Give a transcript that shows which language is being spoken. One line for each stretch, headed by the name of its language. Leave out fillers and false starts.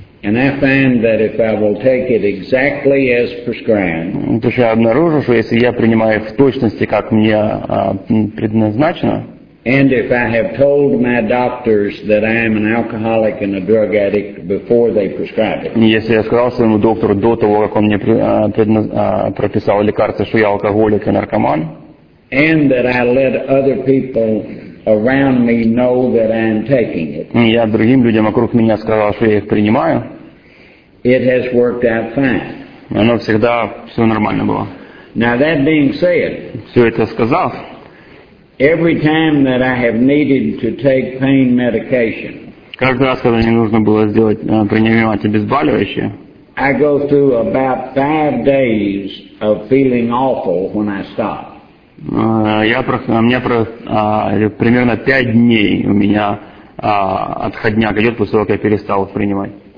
English: And I find that if I will take it exactly as prescribed.
Russian: То есть я обнаружил, что если я принимаю в точности, как мне предназначено.
English: And if I have told my doctors that I am an alcoholic and a drug addict before they prescribe it.
Russian: Если я сказал своему доктору до того, как он мне прописал лекарство, что я алкоголик и наркоман.
English: And that I let other people around me know that I am taking it.
Russian: Я другим людям вокруг меня сказал, что я их принимаю.
English: It has worked out fine.
Russian: Оно всегда все нормально было.
English: Now that being said,
Russian: все это сказав,
English: every time that I have needed to take pain medication,
Russian: каждый раз, когда мне нужно было принимать обезболивающее,
English: I go through about 5 days of feeling awful when I stop.
Russian: Примерно 5 дней у меня отходняк идет после того, как я перестал принимать.